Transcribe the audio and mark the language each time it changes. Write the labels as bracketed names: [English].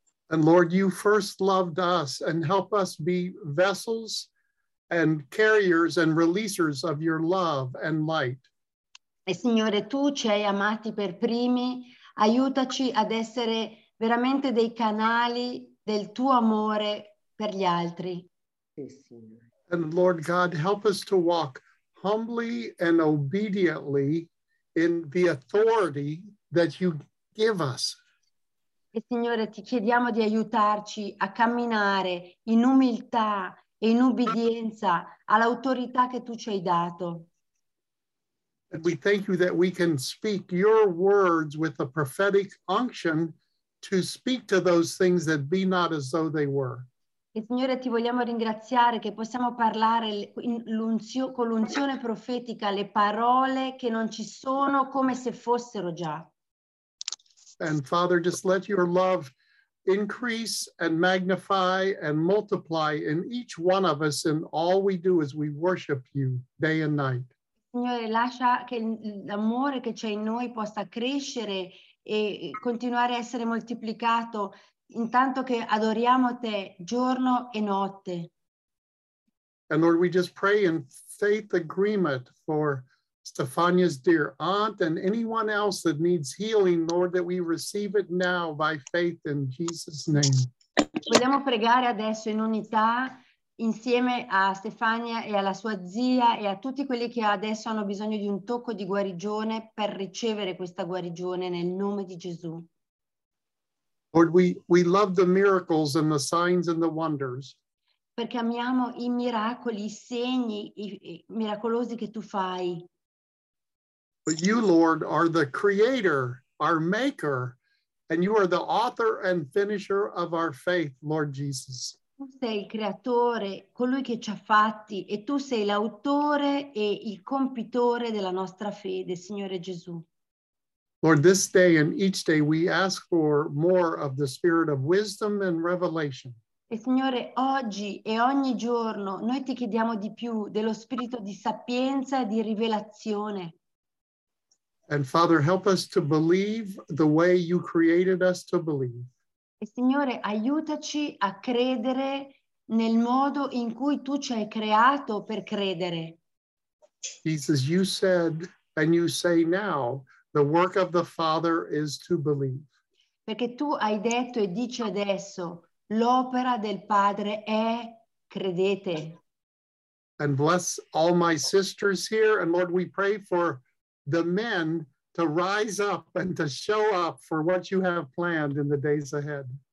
[English] And Lord, you first loved us and help us be vessels and carriers and releasers of your love and light. [Italian] E Signore, tu ci hai amati per primi, aiutaci ad essere veramente dei canali del tuo amore per gli altri. [English] And Lord God, help us to walk humbly and obediently in the authority that you give us. [Italian] E Signore, ti chiediamo di aiutarci a camminare in umiltà e in ubbidienza all'autorità che tu ci hai dato. [English] And we thank you that we can speak your words with a prophetic unction to speak to those things that be not as though they were. [Italian] E Signore, ti vogliamo ringraziare che possiamo parlare con l'unzione profetica le parole che non ci sono come se fossero già. [English] And Father, just let your love increase and magnify and multiply in each one of us in all we do as we worship you day and night. [Italian] Signore, lascia che l'amore che c'è in noi possa crescere e continuare a essere moltiplicato intanto che adoriamo te giorno e notte. [English] And Lord, we just pray in faith agreement for Stefania's dear aunt and anyone else that needs healing, Lord, that we receive it now by faith in Jesus' name. [Italian] Vogliamo pregare adesso in unità insieme a Stefania e alla sua zia e a tutti quelli che adesso hanno bisogno di un tocco di guarigione per ricevere questa guarigione nel nome di Gesù. [English] Lord, we love the miracles and the signs and the wonders. [Italian] Perché amiamo i miracoli, i segni, i miracolosi che tu fai. [English] But you, Lord, are the creator, our maker, and you are the author and finisher of our faith, Lord Jesus. [Italian] Tu sei il creatore, colui che ci ha fatti, e tu sei l'autore e il compitore della nostra fede, Signore Gesù. [English] Lord, this day and each day we ask for more of the spirit of wisdom and revelation. [Italian] E Signore, oggi e ogni giorno noi ti chiediamo di più dello spirito di sapienza e di rivelazione. [English] And Father, help us to believe the way you created us to believe. [Italian] E Signore, aiutaci a credere nel modo in cui tu ci hai creato per credere. [English] Jesus, you said and you say now, the work of the Father is to believe. [Italian] Perché tu hai detto e dici adesso, l'opera del Padre è credete. [English] And bless all my sisters here, and Lord, we pray for the men to rise up and to show up for what you have planned in the days ahead.